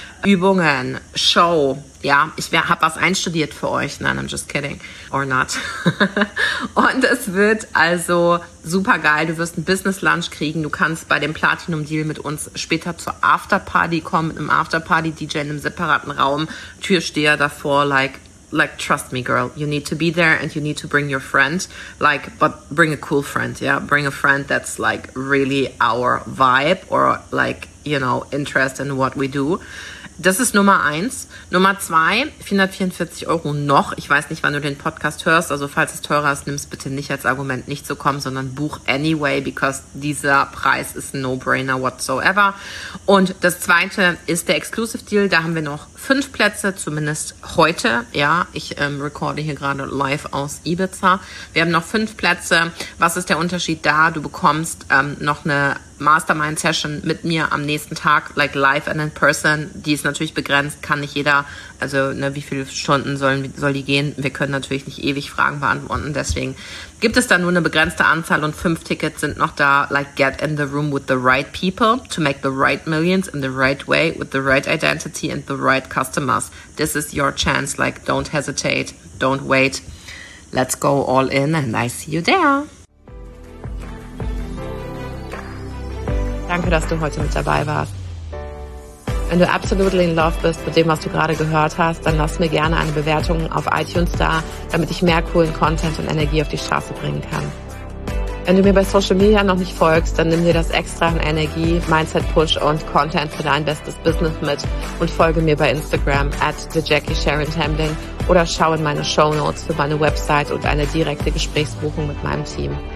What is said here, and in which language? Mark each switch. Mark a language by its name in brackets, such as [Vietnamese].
[German] Übungen, Show, ja, ich habe was einstudiert für euch. Nein, [English] I'm just kidding. Or not. [German] Und es wird also super geil. Du wirst ein Business Lunch kriegen. Du kannst bei dem Platinum Deal mit uns später zur Afterparty kommen. Mit einem Afterparty-DJ in einem separaten Raum. Türsteher davor, [English] like, trust me, girl. You need to be there and you need to bring your friend. Like, but bring a cool friend, yeah. Bring a friend that's like really our vibe or like, you know, interest in what we do. [German] Das ist Nummer eins. Nummer zwei, 444 Euro noch. Ich weiß nicht, wann du den Podcast hörst. Also falls es teurer ist, nimm es bitte nicht als Argument, nicht zu kommen, sondern buch anyway, because dieser Preis ist ein No-Brainer whatsoever. Und das zweite ist der Exclusive Deal. Da haben wir noch 5 Plätze, zumindest heute. Ja, ich recorde hier gerade live aus Ibiza. Wir haben noch 5 Plätze. Was ist der Unterschied da? Du bekommst noch eine Mastermind-Session mit mir am nächsten Tag, [English] like live and in person. [German] Die ist natürlich begrenzt, kann nicht jeder, also ne, wie viele Stunden soll die gehen? Wir können natürlich nicht ewig Fragen beantworten, deswegen gibt es da nur eine begrenzte Anzahl und 5 Tickets sind noch da, [English] like get in the room with the right people to make the right millions in the right way with the right identity and the right customers. This is your chance, like don't hesitate, don't wait. Let's go all in and I see you there. [German] Danke, dass du heute mit dabei warst. Wenn du absolut in love bist mit dem, was du gerade gehört hast, dann lass mir gerne eine Bewertung auf iTunes da, damit ich mehr coolen Content und Energie auf die Straße bringen kann. Wenn du mir bei Social Media noch nicht folgst, dann nimm dir das extra an Energie, Mindset-Push und Content für dein bestes Business mit und folge mir bei Instagram @thejackiesharontemling oder schau in meine Shownotes für meine Website und eine direkte Gesprächsbuchung mit meinem Team.